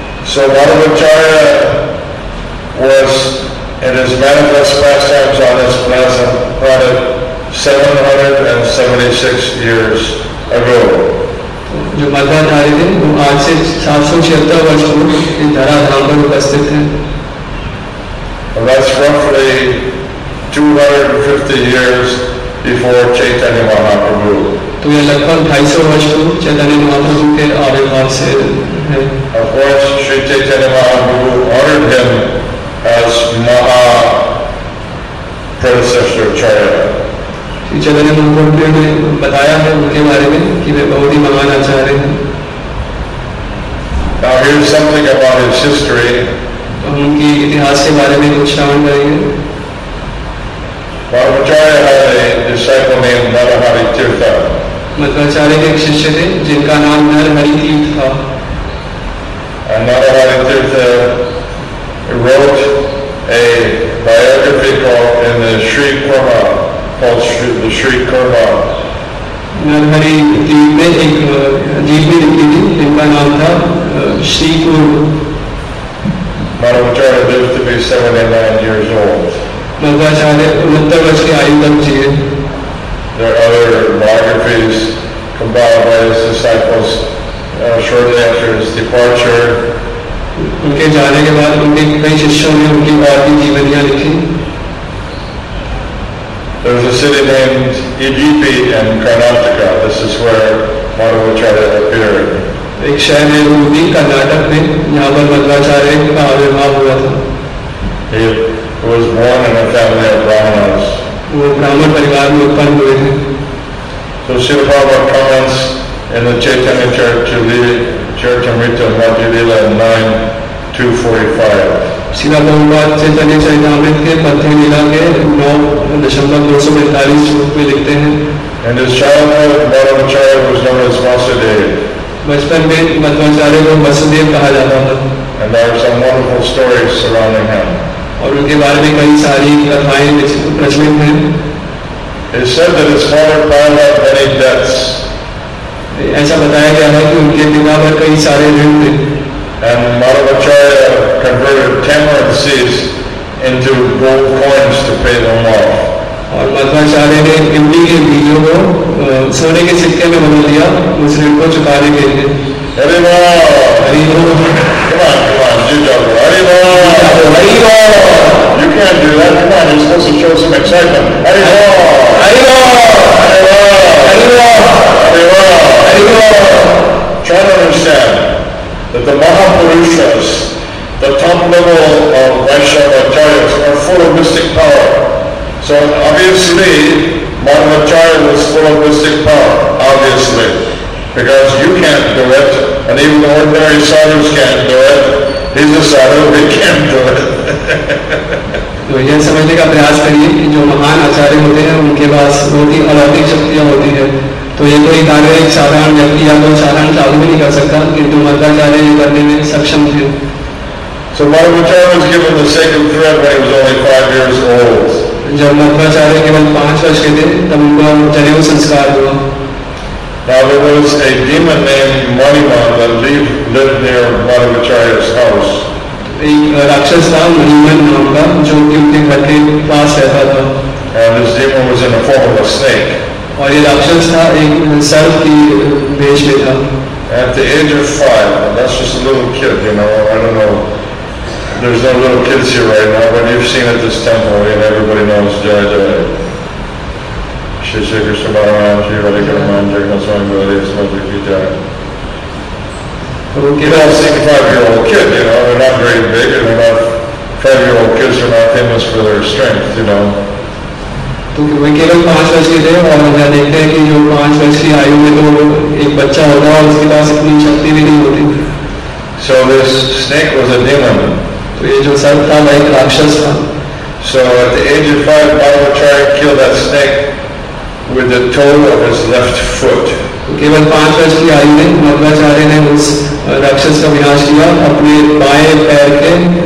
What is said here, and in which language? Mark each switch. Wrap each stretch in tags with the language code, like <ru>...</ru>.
<en>So Madhvacharya was in his manifest pastimes on this planet 776 years ago.</en> <hi>जो मध्वाचार्य थे वो आज से 776 वर्ष पूर्व इस धराधाम पर उपस्थित थे.</hi> <en>That's roughly 250 years before Chaitanya Mahaprabhu.</en> <hi>तो ये लगभग 250 वर्ष पूर्व चैतन्य महाप्रभु के आविर्भाव से है.</hi> <en>Of course, Sri Chaitanya Mahaprabhu honored him as Maha predecessor Acharya.</en> <hi>Sri Chaitanya Mahaprabhu ने बताया है उनके बारे में कि वे बहुत ही महान आचार्य हैं.</hi> <en>Now here's something about his history.</en> <hi>तो हम उनकी इतिहास के बारे में कुछ श्रवण करेंगे.</hi> <en>Madhvacharya had a disciple named Narahari Tirtha.</en> <hi>Madhvacharya के एक शिष्य थे जिनका नाम नरहरि तीर्थ था.</hi> <en>And Narahari Tirtha wrote a biography called in the Sri Kurma, called the Sri Kurma.</en> <hi>Narhari तीर्थ ने एक जीवनी लिखी थी जिनका नाम था श्री कुर्म.</hi> <en>Madhvacharya lived to be 79 years old.</en> <hi>Madhvacharya 69 वर्ष की आयु तक जिए.</hi> <en>There are other biographies compiled by his disciples shortly after his departure.</en> <hi>उनके जाने के बाद उनके कई शिष्यों ने उनकी बात की जीवनियां लिखी.</hi> <en>There is a city named Udupi in Karnataka. This is where Madhvacharya appeared.</en> <hi>एक शहर है उदुपी कर्नाटक में यहाँ पर मध्वाचार्य का आविर्भाव हुआ था.</hi> <en>Was born in a family of Brahmanas.</en> <hi>वो ब्राह्मण परिवार में उत्पन्न हुए थे.</hi> <en>So Srila Prabhupada comments in the Chaitanya Charitamrita Madhyalila 9 2008. 2:45.</en> <hi>सीधा तो हम बात से चलने चाहिए अमृत के मध्य लीला के 9.245 श्लोक में लिखते हैं.</hi> <en>And his childhood, Madhvacharya was known as Vasudeva.</en> <hi>बचपन में मध्वाचार्य को वसुदेव कहा जाता था.</hi> <en>And there are some wonderful stories surrounding him.</en> <hi>और उनके बारे में कई सारी कथाएं प्रचलित हैं.</hi> <en>It is said that his father piled up many debts.</en> <hi>ऐसा बताया गया है कि उनके पिता पर कई सारे ऋण थे.</hi> <en>And Madhvacharya converted 10 currencies into gold coins to pay them off.</en> <hi>और मध्वाचार्य ने इमली के बीजों को सोने के सिक्के में बदल दिया उस ऋण को चुकाने के लिए. अरे वाह, अरे वाह,</hi> <en>come on, come on, you double,</en> <hi>अरे वाह, अरे वाह,</hi> <en>you can't do that, come on, you're supposed to show some excitement,</en> <hi>अरे वाह, अरे वाह, अरे वाह, अरे वाह, अरे वाह, अरे वाह.</hi> <en>Try to understand that the Mahapurushas, the top level of Vaishnavacharyas, are full of mystic power. So obviously, Madhvacharya was full of mystic power, obviously. Because you can't do it, and even the ordinary sadhus can't do it. He's a sadhu, he can't do it.</en> <hi>तो यह समझने का प्रयास करिए कि जो महान आचार्य होते हैं उनके पास बहुत ही अलौकिक शक्तियाँ होती हैं. तो ये कोई कार्य एक साधारण व्यक्ति या कोई साधारण साधु भी नहीं कर सकता, किंतु मध्वाचार्य ये करने में सक्षम थे.</hi> <en>So Madhvacharya was given the sacred thread when he was only 5 years old.</en> <hi>जब मध्वाचार्य केवल 5 वर्ष के थे तब उनका जनेऊ संस्कार हुआ.</hi> <en>Now there was a demon named Maniman that lived near Madhvacharya's house.</en> <hi>राक्षस था मणिमन नाम का जो कि उनके घर के पास रहता था.</hi> <en>And this demon was in the form of a snake.</en> <hi>और ये राक्षस था एक सर्प की वेश में था.</hi> <en>At the age of 5, that's just a little kid, you know. I don't know. There's no little kids here right now, but you've seen at this temple, and you know, everybody knows Jai Jai. Shishir Krishnabharam, Shri Radhikaraman, Jagannathswami, Vali, Smadhu Kitai. You know, seeing a 5-year-old kid, you know, they're not very big, and they're not 5-year-old kids are not famous for their strength, you know.</en> <hi>तो उनके लोग 5 वर्ष के थे और हम यहाँ देखते हैं कि जो 5 वर्ष की आयु में तो एक बच्चा होता है और उसके पास इतनी शक्ति भी नहीं होती.</hi> <en>So this snake was a demon.</en> <hi>तो ये जो सर्प था वह एक राक्षस था.</hi> <en>So at the age of 5, Madhvacharya killed that snake with the toe of his left foot.</en> <hi>केवल 5 वर्ष की आयु में मध्वाचार्य ने उस राक्षस का विनाश किया अपने बाएं पैर के.</hi>